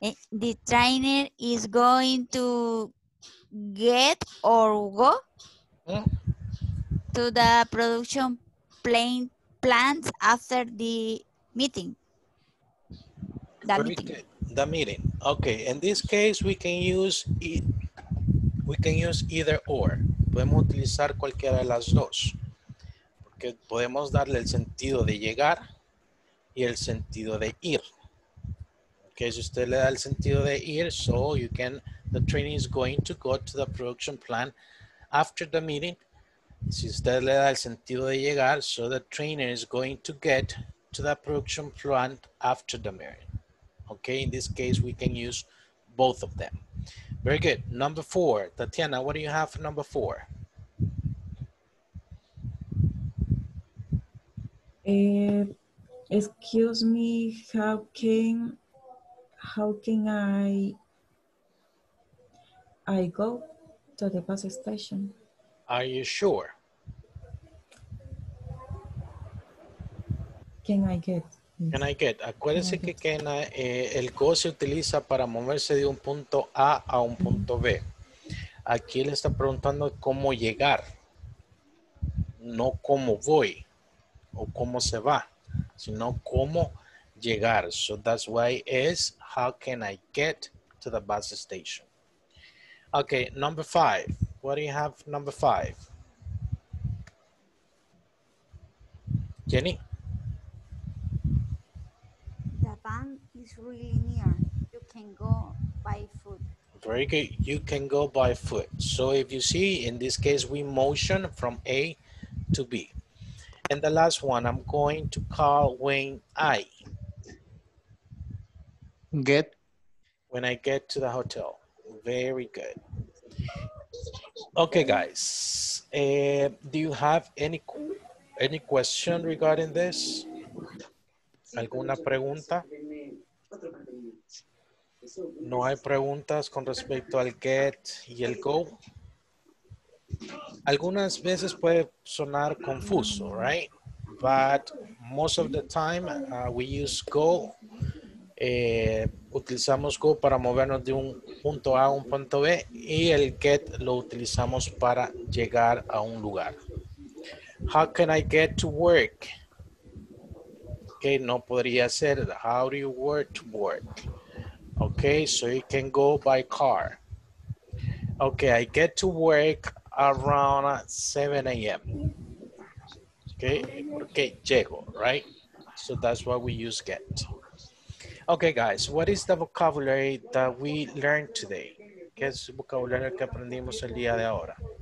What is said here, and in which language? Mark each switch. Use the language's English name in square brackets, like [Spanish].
[English] The trainer is going to get or go to the production plant after the meeting. The meeting. Okay, in this case we can use either or. [Spanish] Podemos utilizar cualquiera de las dos, porque podemos darle el sentido de llegar y el sentido de ir. [English] Okay, [Spanish] si usted le da el sentido de ir, [English] so you can, the trainee is going to go to the production plant after the meeting. [Spanish] Si usted le da el sentido de llegar, [English] so the trainer is going to get to the production plant after the meeting. Okay, in this case, we can use both of them. Very good. Number four. Tatiana, what do you have for number four? Excuse me, how can I go to the bus station? Are you sure? Can I get? [Spanish] Acuérdense que el go se utiliza para moverse de un punto A un punto B. Aquí le está preguntando cómo llegar, no cómo voy o cómo se va, sino cómo llegar. [English] So that's why is how can I get to the bus station? Okay, number five. What do you have, number five? Jenny? Van is is really near. You can go by foot. Very good. You can go by foot. So if you see, in this case, we motion from A to B. And the last one, I'm going to call when I get. When I get to the hotel. Very good. Okay, guys. Do you have any question regarding this? [Spanish] ¿Alguna pregunta? ¿No hay preguntas con respecto al get y el go? Algunas veces puede sonar confuso, right? [English] But most of the time we use go. [Spanish] Utilizamos go para movernos de un punto A a un punto B y el get lo utilizamos para llegar a un lugar. [English] How can I get to work? Okay, [Spanish] no podría ser. [English] How do you work to work? Okay, so you can go by car. Okay, I get to work around 7 a.m. Okay, [Spanish] porque llego, [English] right? So that's why we use get. Okay, guys, what is the vocabulary that we learned today? [Spanish] ¿Qué es el vocabulario que aprendimos el día de ahora?